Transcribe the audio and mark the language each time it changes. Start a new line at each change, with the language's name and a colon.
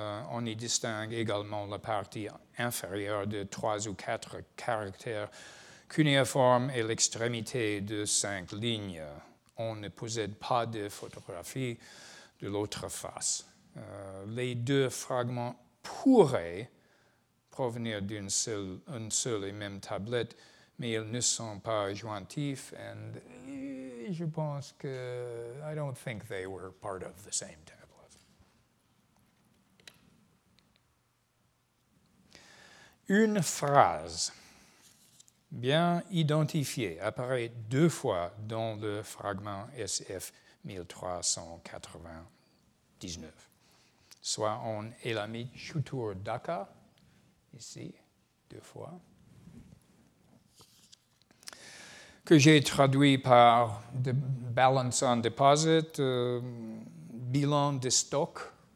French: On y distingue également la partie inférieure de 3 ou 4 caractères cunéiformes et l'extrémité de 5 lignes. On ne possède pas de photographie de l'autre face. Les deux fragments pourraient provenir d'une seule et même tablette, mais ils ne sont pas jointifs.
English: And
French: je pense que
English: I don't think they were part of the same tablet.
French: Une phrase bien identifiée apparaît deux fois dans le fragment SF 1399. Soit en Elamite Shutur Daka, ici, deux fois, que j'ai traduit par
English: the Balance on Deposit,
French: bilan de stock.